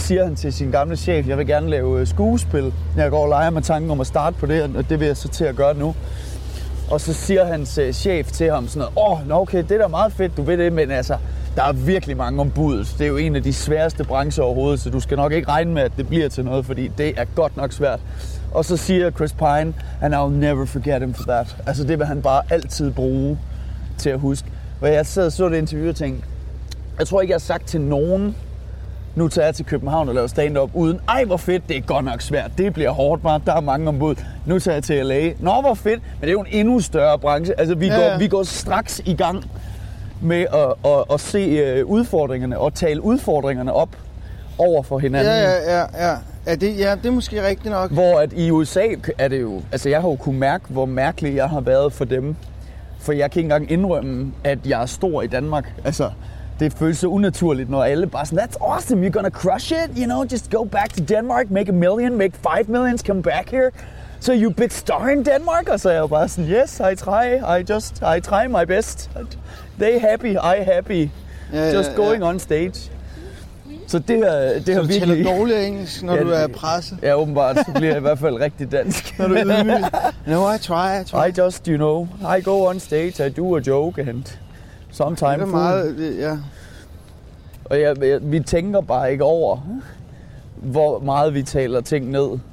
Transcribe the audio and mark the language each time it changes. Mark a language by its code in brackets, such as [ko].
[da] Så siger han til sin gamle chef, jeg vil gerne lave skuespil, når jeg går og leger med tanken om at starte på det, og det vil jeg så til at gøre nu. Og så siger hans chef til ham sådan noget, okay, det er da meget fedt, du ved det, men altså, der er virkelig mange om budet. Det er jo en af de sværeste brancher overhovedet, så du skal nok ikke regne med, at det bliver til noget, fordi det er godt nok svært. Og så siger [en] Chris Pine, and I'll never forget him for that. [da] Altså, det vil han bare altid bruge til at huske. Og jeg sad og så det interview og tænkte, jeg tror ikke, jeg har sagt til nogen, nu tager jeg til København og laver stand-up, uden, ej hvor fedt, det er godt nok svært, det bliver hårdt bare, der er mange ombud, nu tager jeg til LA. Nå, hvor fedt, men det er jo en endnu større branche, altså vi går straks i gang med at se udfordringerne og tale udfordringerne op over for hinanden. Ja. Det er måske rigtigt nok. Hvor at i USA er det jo, altså jeg har jo kunnet mærke, hvor mærkelig jeg har været for dem. For jeg kan ikke engang indrømme, at jeg er stor i Danmark. Altså, det føles så unaturligt, når alle bare sådan, [en] that's awesome, you're gonna crush it, you know, just go back to Denmark, make a million, make 5 millions, come back here. So you big star in Denmark? [da] Og så er jeg bare sådan, [en] yes, I try my best. They happy, I happy. Going on stage. [da] Så det har virkelig... Så du taler dårlig engelsk, når du er presse? Ja, åbenbart, så bliver jeg i hvert fald rigtig dansk. Når du er ydmyg. [en] No, I try. I just, you know, I go on stage, I do a joke, and sometimes... [da] Det er meget, ja. Og ja, vi tænker bare ikke over, hvor meget vi taler ting ned.